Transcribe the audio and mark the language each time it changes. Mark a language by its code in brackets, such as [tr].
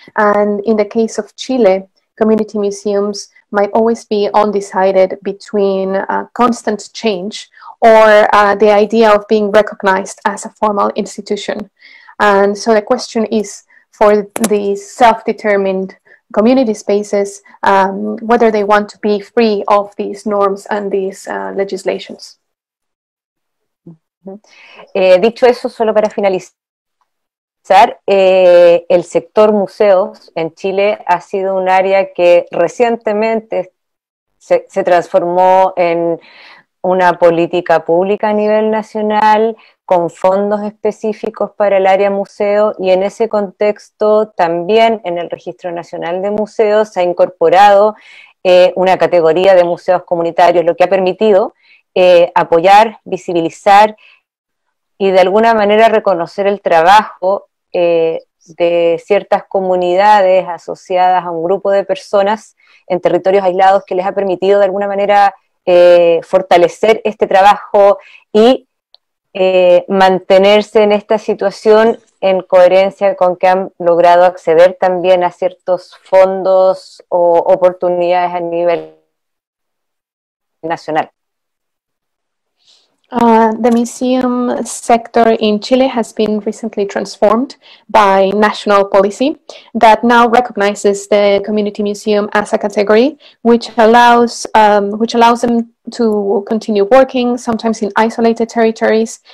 [en] And in the case of Chile, community museums might always be undecided between constant change or the idea of being recognized as a formal institution. And so the question is, for these self-determined community spaces, whether they want to be free of these norms and these legislations. Mm-hmm. [es] Dicho eso, solo para finalizar, el sector museos en Chile ha sido un área que recientemente se transformó en una política pública a nivel nacional, con fondos específicos para el área museo, y en ese contexto también en el Registro Nacional de Museos se ha incorporado una categoría de museos comunitarios, lo que ha permitido apoyar, visibilizar y de alguna manera reconocer el trabajo de ciertas comunidades asociadas a un grupo de personas en territorios aislados, que les ha permitido de alguna manera fortalecer este trabajo y mantenerse en esta situación en coherencia con que han logrado acceder también a ciertos fondos o oportunidades a nivel nacional. [en] The museum sector in Chile has been recently transformed by national policy that now recognizes the community museum as a category, which allows them to continue working, sometimes in isolated territories.